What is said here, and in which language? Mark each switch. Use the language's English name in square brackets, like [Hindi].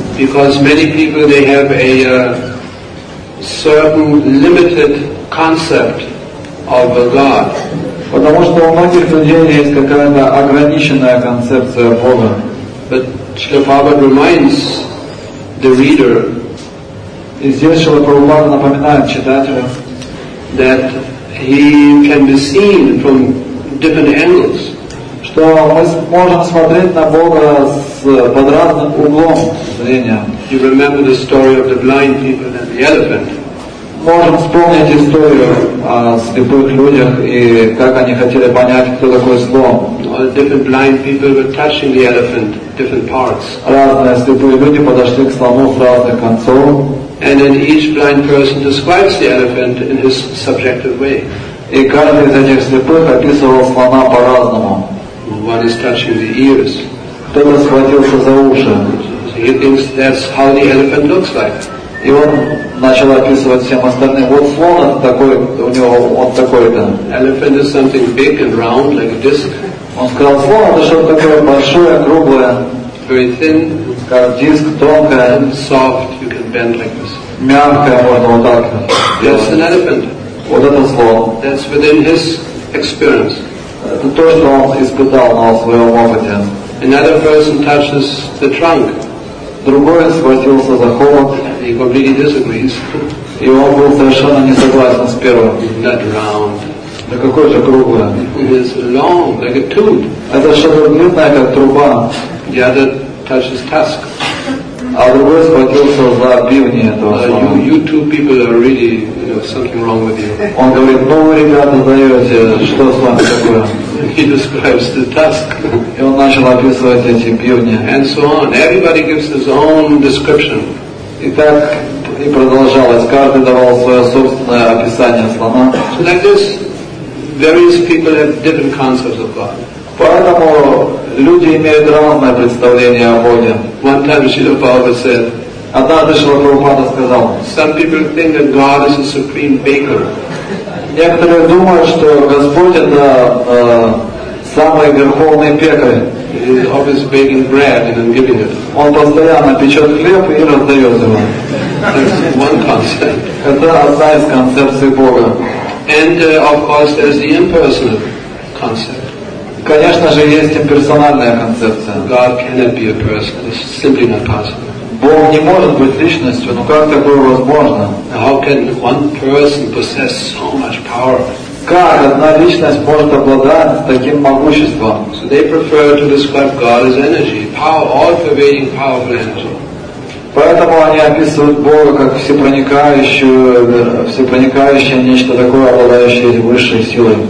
[English] Because many people they have a certain limited concept of God. [Russian] Потому что у многих людей есть какая-то ограниченная концепция Бога. [English] But Śrīla Prabhupāda reminds the reader [Russian] И здесь Шрила Прабхупада напоминает читателю, [English] that he can be seen from different angles. [Russian] Что мы можем смотреть на Бога под разным углом зрения. [English] You remember the story of the blind people and the elephant. [Russian] Можем вспомнить историю о слепых людях и как они хотели понять, кто такой слон. [English] Different blind people were touching the elephant, different parts. [Russian] Разные слепые люди подошли к слону с разных концов. [English] And then each blind person describes the elephant in his subjective way. [Russian] И каждый из этих слепых описывал слона по-разному. [English] One is touching the ears. [Russian] Кто-то схватился за уши. [English] He thinks that's how the elephant looks like. [Russian] И он начал описывать всем остальным. Вот слон такой, у него вот такой-то. [English] Elephant is something big and round, like a disc. [Russian] Он сказал, слон это что-то такое большое, круглое. [English] Very thin. [Russian] Сказал, диск тонкое. [English] And soft, you can bend like this. [Russian] Мягкое можно вот так. [English] That's an elephant. [Russian] Вот это слон. [English] That's within his experience. [Russian] Это то, что он испытал на своем опыте. [English] Another person touches the trunk. [Russian] Другой схватился за холод. [English] He completely disagrees. [Russian] И он был совершенно не согласен с первым. [English] Not round. [Russian] Да какой же круглый. [English] It is long, like a tube. [Russian] Это что-то длинное, как труба. [English] The other touches tusk. [Russian] А другой схватился за бивни этого слона. [English] You two people are really, you know, something wrong with you. [Russian] Он говорит, ну вы, ребята, даете, что с вами такое? [English] He describes the tusk. [Russian] И он начал описывать эти бивни. [English] And so on. Everybody gives his own description. [Russian] И так и продолжалось. Каждый давал свое собственное описание слона. [English] So like this, various people have different concepts of God. [Russian] Поэтому люди имеют разное представление о Боге. [English] One time Srila Prabhupada said, [Russian] однажды Шрила Прабхупада сказал, [English] some people think that God is a supreme baker. [Russian] Некоторые думают, что Господь это самый верховный пекарь. [English] He's always baking bread and then giving it. [Russian] Он постоянно печет хлеб и раздает его. [English] That's one concept. [Russian] Это одна из концепций Бога. [English] And of course there's the impersonal concept. [Russian] Конечно же есть имперсональная концепция. [English] God cannot be a person. It's simply not possible. [Russian] Бог не может быть личностью. Но как такое возможно? [English] How can one person possess so much power? [Russian] Как одна личность может обладать таким могуществом? [English] So they prefer to describe God as energy, power, all-pervading powerful energy. [Russian] Поэтому они описывают Бога как всепроникающее нечто такое, обладающее высшей силой.